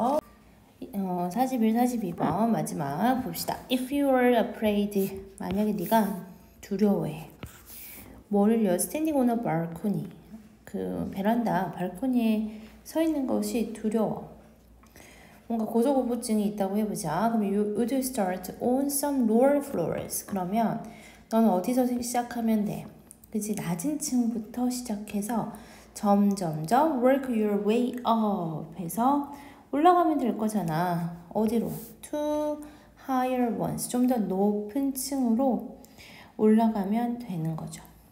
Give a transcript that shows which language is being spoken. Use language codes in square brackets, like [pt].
[ko] 41, 42번 마지막 봅시다. [en] If you are afraid, [ko] 만약에 네가 두려워해. 뭐를요? [en] Standing on a balcony. [ko] 그 베란다, 발코니에 서 있는 것이 두려워. 뭔가 고소공포증이 있다고 해보자. [en] 그럼 you would start on some lower floors. [ko] 그러면 너는 어디서 시작하면 돼? 그치? 낮은 층부터 시작해서 점점점 [en] work your way up [ko] 해서 올라가면 될 거잖아. 어디로? [en] To higher ones. [ko] 좀 더 높은 층으로 올라가면 되는 거죠.